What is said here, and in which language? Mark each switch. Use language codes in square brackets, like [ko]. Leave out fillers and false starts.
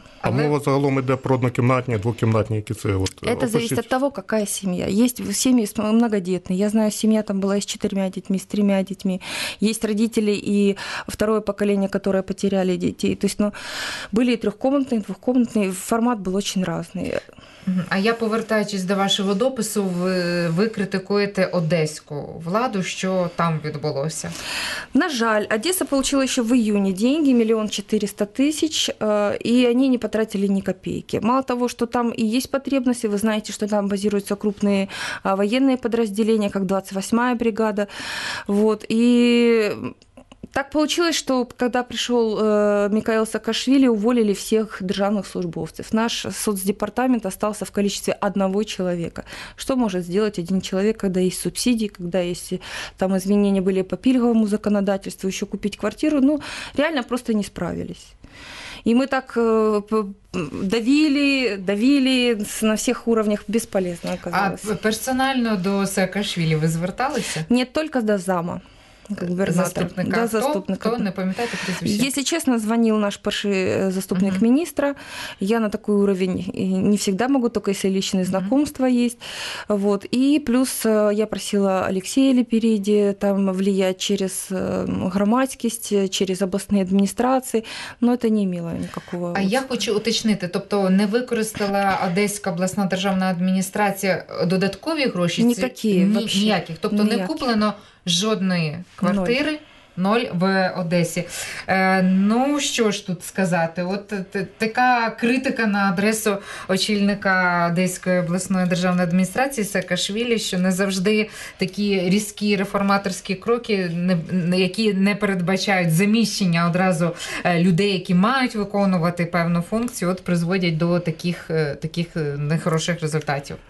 [uk] А мова загалом [ru] идет про однокомнатные, двухкомнатные, какие цели? Вот, это опишите. Зависит от того, какая семья. Есть семьи многодетные. Я знаю, семья там была с 4 детьми, с 3 детьми. Есть родители и второе поколение, которые потеряли детей. То есть, ну, были и трехкомнатные, и двухкомнатные. Формат был очень разный. [uk] А я, повертаючись до вашого допису, ви критикуєте одеську владу, що там відбулося? На жаль, Одеса отримала ще в июні гроші, 1 400 000, і вони не потратили ні копійки. Мало того, що там і є потребності, ви знаєте, що там базуються крупні воєнні підрозділення, як 28-я бригада. Вот, і... [ru] Так получилось, что когда пришел Михаил Саакашвили, уволили всех [uk] державных службовцев. [ru] Наш соцдепартамент остался в количестве 1 человека. Что может сделать 1 человек, когда есть субсидии, когда есть там изменения были по пильговому законодательству, еще купить квартиру? Ну, реально просто не справились. И мы так давили на всех уровнях, бесполезно оказалось. А персонально до Саакашвили вы звертались? Нет, только до зама. Заступника. Да, заступника. Кто не помнит это прозвище? Если честно, звонил наш перший заступник министра. Я на такой уровень не всегда могу, только если личные знакомства есть. Вот. И плюс я просила Алексея Лепериди там влиять через громадськість, через областные администрации, но это не имело никакого... [uk] А я хочу уточнить, тобто не використала Одеська обласна державна адміністрація додаткові гроші? Ніяких. Тобто не куплено жодної квартири, ноль в Одесі. Ну, що ж тут сказати? От така критика на адресу очільника Одеської обласної державної адміністрації Саакашвілі, що не завжди такі різкі реформаторські кроки, які не передбачають заміщення одразу людей, які мають виконувати певну функцію, от призводять до таких нехороших результатів.